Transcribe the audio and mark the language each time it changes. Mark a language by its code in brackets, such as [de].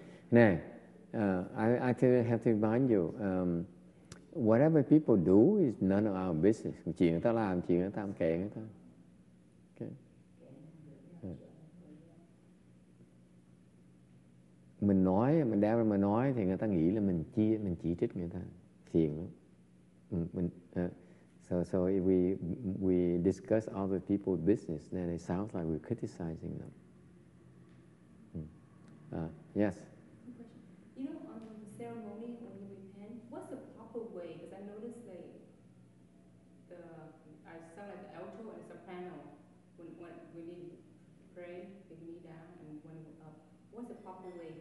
[en] Nè, I have to remind you, whatever people do is none of our business. [vi] Chuyện người ta làm, chuyện người ta làm, kệ người ta. Okay. Mình nói, mình đem ra mà nói thì người ta nghĩ là mình chia, mình chỉ trích người ta. Phiền lắm. [en] So if we discuss other people's business, then it sounds like we're criticizing them. Yes. You know, on the ceremony when you repent, what's the proper way? Because I noticed that I sound like the alto and soprano when we need to pray, the knee down, and when what's the proper way?